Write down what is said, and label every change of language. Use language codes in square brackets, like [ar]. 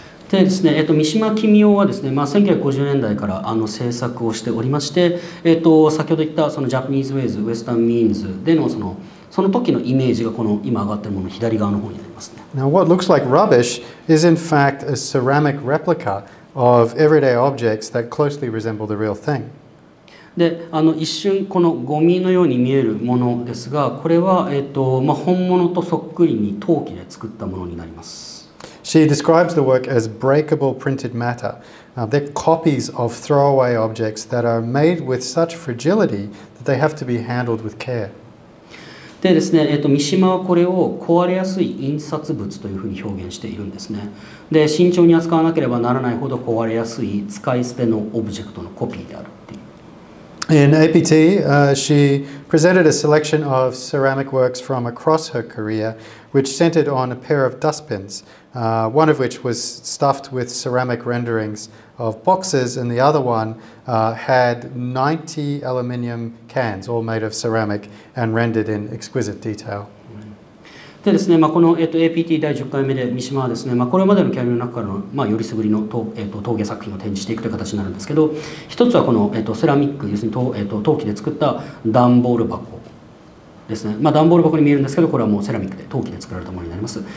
[ja] でですね、三島紀美男はですね、まあ、1950年代から制作をしておりまして、先ほど言ったその Japanese Ways, Western Means でのその時のイメージがこの今上がっているもの左側の方になりますね。 [en] Now what looks like rubbish is in fact a ceramic replica of everyday objects that closely resemble the real thing. [ja] で一瞬このゴミのように見えるものですが、これは、まあ、本物とそっくりに陶器で作ったものになります。 [en] She describes the work as breakable printed matter. They're copies of throwaway objects that are made with such fragility that they have to be handled with care. [ja] でですね、三島はこれを壊れやすい印刷物というふうに表現しているんですね。で慎重に扱わなければならないほど壊れやすい使い捨てのオブジェクトのコピーであるっていう。 [en] In APT, she presented a selection of ceramic works from across her career, which centered on a pair of dustbins, one of which was stuffed with ceramic renderings of boxes, and the other one had 90 aluminium cans, all made of ceramic and rendered in exquisite detail. [ja] でですね、まあ、この APT 第10回目で三島はですね、まあ、これまでのキャリアの中からの、まあ、よりすぐりの陶芸作品を展示していくという形になるんですけど、一つはこの、セラミック、要するに 陶器で作った段ボール箱ですね。まあ、段ボール箱に見えるんですけど、これはもうセラミックで陶器で作られたものになります。